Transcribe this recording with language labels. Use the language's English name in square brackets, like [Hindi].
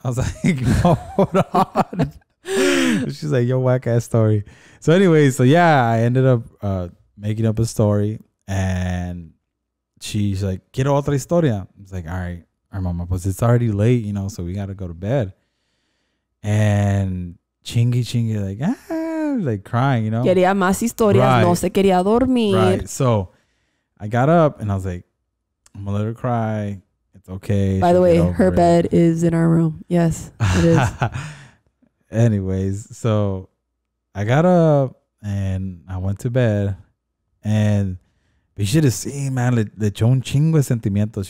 [English] I was like, no, hold on. She's like, yo, whack ass story. So anyway, so yeah, I ended up making up a story, and she's like, [Spanish] quiero otra historia. [English] I was like, all right, our mama, but it's already late, you know, so we got to go to bed. And chingy, like crying, you know. [Spanish] Quería más historias, right. No se quería dormir. [English] Right, so I got up and I was like, I'm going to let her cry. It's okay. By the way, her bed is in our room. Yes, it is. Anyways, so I got up and I went to bed, and but you should have seen, man, the chon chingo sentimiento.